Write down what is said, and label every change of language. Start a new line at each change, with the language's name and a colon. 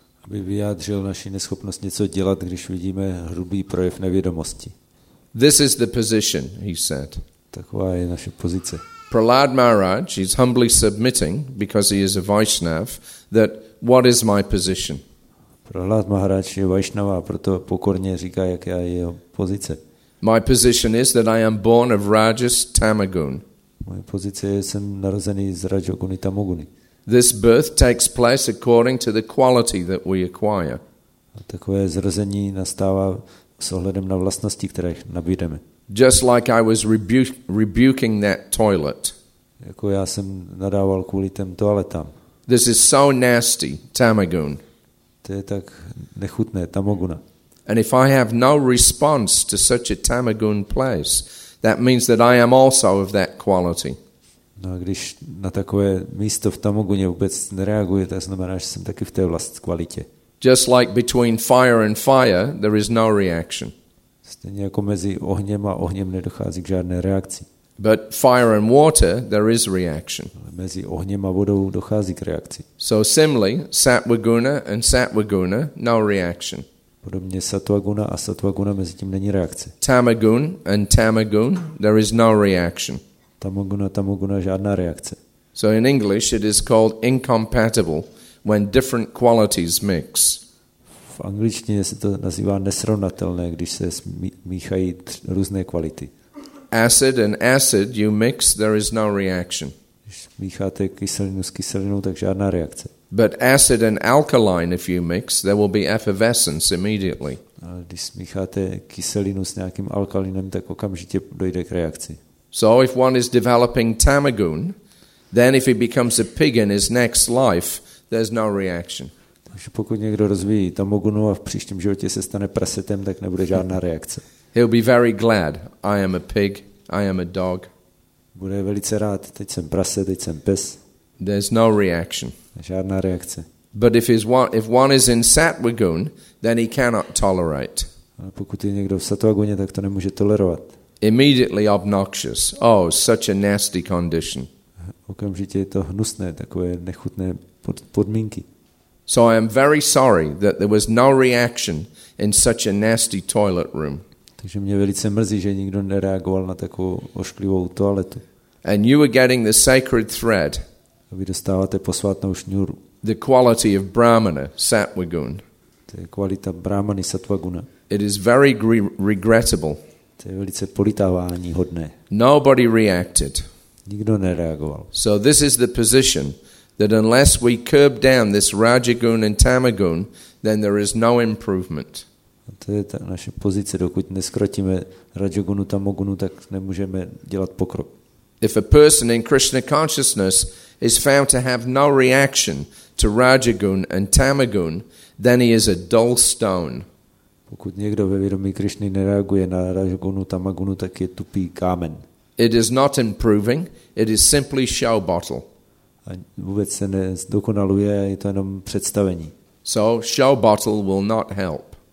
Czech: Aby vyjádřil naši neschopnost něco dělat, když vidíme hrubý projev nevědomosti.
English: This is the position, he said.
Czech: Taková je naše pozice.
English: Prahlad Maharaj is humbly submitting, because he is a Vaishnav, that what is my position?
Czech: Prahlad Maharaj je Vaishnava, proto pokorně říká, jaká je jeho pozice.
English: My position is that I am born of Rajas Tamagun.
Czech: Moje pozice je, jsem narozený z Rajoguny Tamoguny.
English: This birth takes place according to the quality that we acquire.
Czech: A takové zrození nastává s ohledem na vlastnosti, které nabídeme.
English: Just like I was rebuking that toilet.
Czech: Jako já jsem nadával kvůli těm toaletám.
English: This is so nasty, Tamagun.
Czech: To je tak nechutné, Tamoguna.
English: And if I have no response to such a Tamagun place, that means that I am also of that quality.
Czech: No a když na takové místo v Tamoguně vůbec nereaguje, to znamená, že jsem taky v té vlastní kvalitě.
English: Just like between fire and fire, there is no reaction.
Czech: Stejně jako mezi ohněm a ohněm nedochází k žádné reakci.
English: But fire and water, there is reaction.
Czech: Ale mezi ohněm a vodou dochází k reakci.
English: So similarly, Satvaguna and Satvaguna, no reaction.
Czech: Podobně Satvaguna a Satvaguna, mezi tím není reakce.
English: Tamagun and Tamagun, there is no reaction.
Czech: Tamoguna, Tamoguna, žádná reakce.
English: So in English it is called incompatible when different qualities mix.
Czech: V angličtině se to nazývá nesrovnatelné, když se míchají různé kvality.
English: Acid and acid you mix, there is no reaction.
Czech: Když mícháte kyselinu s kyselinou, tak žádná reakce.
English: But acid and alkaline if you mix, there will be effervescence immediately.
Czech: Ale když smícháte kyselinu s nějakým alkalinem, tak okamžitě dojde k reakci.
English: So if one is developing tamagun, then if he becomes a pig in his next life, there's no reaction.
Czech: Takže pokud někdo rozvíjí tamagunu a v příštím životě se stane prasetem, tak nebude žádná reakce.
English: He'll be very glad. I am a pig. I am a dog.
Czech: Bude velice rád. Teď jsem prase, teď jsem pes.
English: There's no reaction.
Czech: Žádná reakce.
English: But if one is in satvagun, then he cannot tolerate.
Czech: Ale pokud je někdo v satvaguně, tak to nemůže tolerovat.
English: Immediately obnoxious. Oh, such a nasty condition.
Czech: Okamžitě je to hnusné, takové nechutné podmínky.
English: So I am very sorry that there was no reaction in such a nasty toilet room.
Czech: Takže mě velice mrzí, že nikdo nereagoval na takovou ošklivou toaletu.
English: And you were getting the sacred thread.
Czech: A vy dostáváte posvátnou šňůru.
English: The quality of brahmana, satvagun.
Czech: To je kvalita brahmany, satvaguna.
English: It is very regrettable.
Czech: To je velice politávání hodné.
English: Nobody reacted.
Czech: Nikdo nereagoval.
English: So this is the position that unless we curb down this rajagun and tamagun, then there is no improvement.
Czech: A to je ta naše pozice, dokud neskrotíme rajagunu tamagunu, tak nemůžeme dělat pokrok.
English: If a person in Krishna consciousness is found to have no reaction to rajagun and tamagun, then he is a dull stone.
Czech: Pokud někdo ve vědomí Krišny nereaguje na rajagunu tamagunu, tak je tupý kámen.
English: It is not improving, it is simply show bottle.
Czech: A vůbec se nezdokonaluje, je to jenom představení.
English: So show bottle will not help.